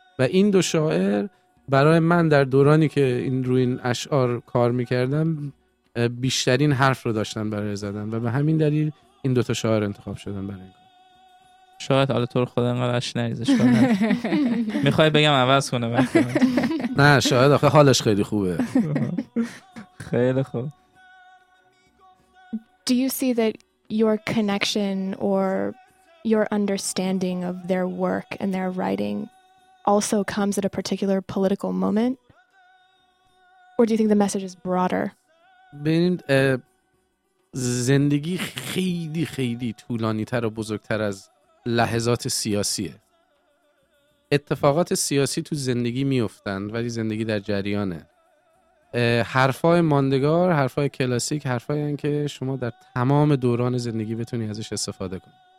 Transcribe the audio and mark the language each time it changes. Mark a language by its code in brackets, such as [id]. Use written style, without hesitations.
[fa] و این دو شاعر برای من در دورانی که این روی این اشعار کار میکردم بیشترین حرف رو داشتن برای زدن، و به همین دلیل این دوتا شاعر انتخاب شدن برای این کار. شاید حالا طور خود انقدر اش نریزش کنه میخوای بگم عوض کنه وقتی نه شاید آخه حالش خیلی خوبه. خیلی خوب. [en] Do you see that your connection or your understanding of their work and their writing also comes at a particular political moment, or do you think the message is broader? [fa] ببینید زندگی خیلی خیلی طولانی تر و بزرگتر از لحظات سیاسیه. اتفاقات سیاسی تو زندگی میفتن، ولی زندگی در جریانه. حرفای ماندگار، حرفای کلاسیک، حرفایی هستند که شما در تمام دوران زندگی بتونی ازش استفاده کنی.